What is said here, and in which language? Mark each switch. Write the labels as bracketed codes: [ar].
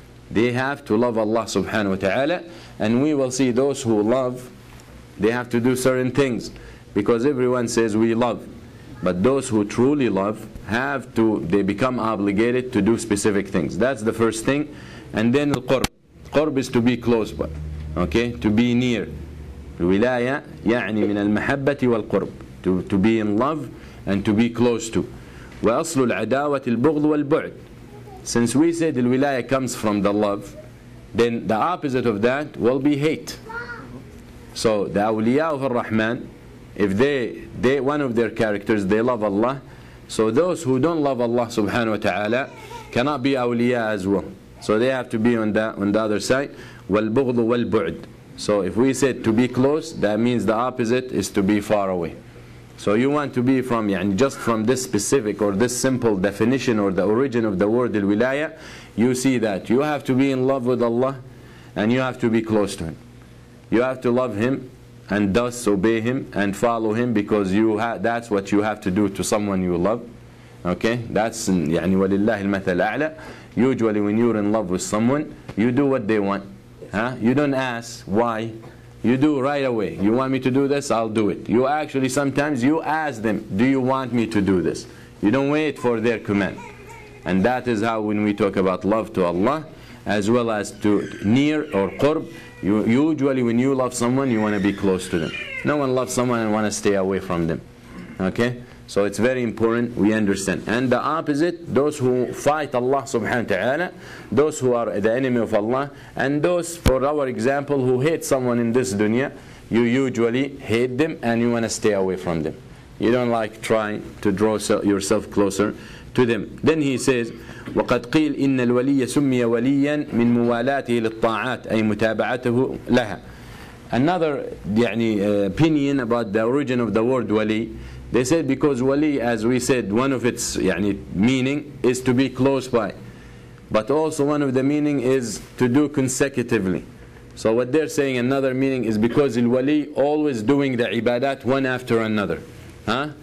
[en] They have to love Allah subhanahu wa ta'ala. And we will see those who love, they have to do certain things. Because everyone says we love. But those who truly love, they become obligated to do specific things. That's the first thing. And then al-qurb. Qurb is to be close by, okay? To be near. [ar] Wilaya, يعني من المحبة والقرب. [en] To be in love and to be close to. [ar] وأصل العداوة البغض والبعد. [en] Since we said the wilaya comes from the love, then the opposite of that will be hate. So the awliya of al-Rahman, if they one of their characters, they love Allah, so those who don't love Allah subhanahu wa ta'ala cannot be awliya as well. So they have to be on the other side. [ar] والبغض والبعد. [en] So if we said to be close, that means the opposite is to be far away. So you want to be from, يعني, just from this specific or this simple definition or the origin of the word الولاية, you see that you have to be in love with Allah and you have to be close to Him. You have to love Him and thus obey Him and follow Him, because that's what you have to do to someone you love. Okay, that's يعني [ar] ولله المثل الأعلى. [en] Usually when you're in love with someone, you do what they want. Huh? You don't ask why. You do right away. You want me to do this, I'll do it. You actually sometimes you ask them, do you want me to do this? You don't wait for their command. And that is how when we talk about love to Allah, as well as to near or qurb, you usually when you love someone, you want to be close to them. No one loves someone and want to stay away from them. Okay? So it's very important we understand. And the opposite, those who fight Allah subhanahu wa ta'ala, those who are the enemy of Allah, and those, for our example, who hate someone in this dunya, you usually hate them and you want to stay away from them. You don't like trying to draw yourself closer to them. Then he says, [ar] وَقَدْ قِيلْ إِنَّ الْوَلِيَّ سُمِّيَ وَلِيًّا مِنْ مُوَالَاتِهِ لِلطَّاعَاتِ أَيْ مُتَابَعَتَهُ لَهَا. [en] Another opinion about the origin of the word wali. They said because wali, as we said, one of its meaning is to be close by. But also one of the meaning is to do consecutively. So what they're saying, another meaning is because al-wali always doing the ibadat one after another. Huh?